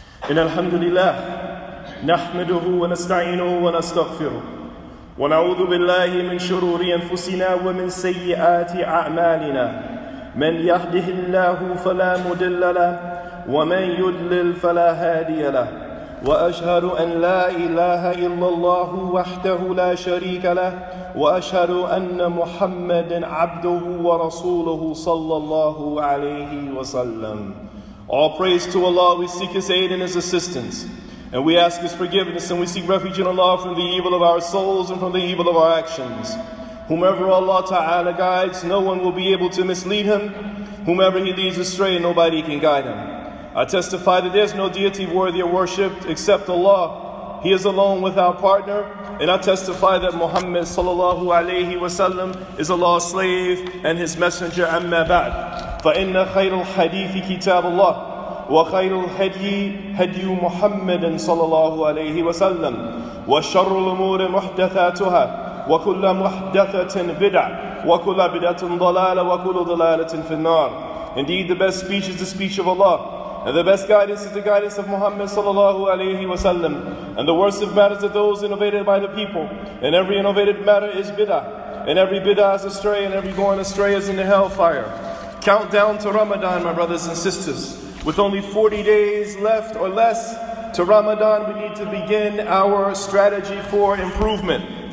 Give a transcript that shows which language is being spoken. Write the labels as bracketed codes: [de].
[ar] إن الحمد لله نحمده ونستعينه ونستغفره ونعوذ بالله من شرور أنفسنا ومن سيئات أعمالنا من يهده الله فلا مضل له ومن يضلل فلا هادي له وأشهد أن لا إله إلا الله وحده لا شريك له وأشهد أن محمدا عبده ورسوله صلى الله عليه وسلم. [en] All praise to Allah. We seek His aid and His assistance. And we ask His forgiveness. And we seek refuge in Allah from the evil of our souls and from the evil of our actions. Whomever Allah Ta'ala guides, no one will be able to mislead him. Whomever He leads astray, nobody can guide him. I testify that there is no deity worthy of worship except Allah. He is alone without partner. And I testify that Muhammad Sallallahu Alaihi Wasallam is Allah's slave and His messenger. [ar] Amma ba'd. فإن خير الحديث كتاب الله وخير الهدي هدي محمد صلى الله عليه وسلم وشر الأمور محدثاتها وكل محدثة بدعة وكل بدعة ضلالة وكل ضلالة في النار. [en] Indeed, the best speech is the speech of Allah, and the best guidance is the guidance of Muhammad sallallahu alayhi wa sallam, and the worst of matters are those innovated by the people, and every innovated matter is bid'ah, and every bid'ah is astray, and every going astray is in the hellfire. Count down to Ramadan, my brothers and sisters. With only 40 days left or less to Ramadan, we need to begin our strategy for improvement.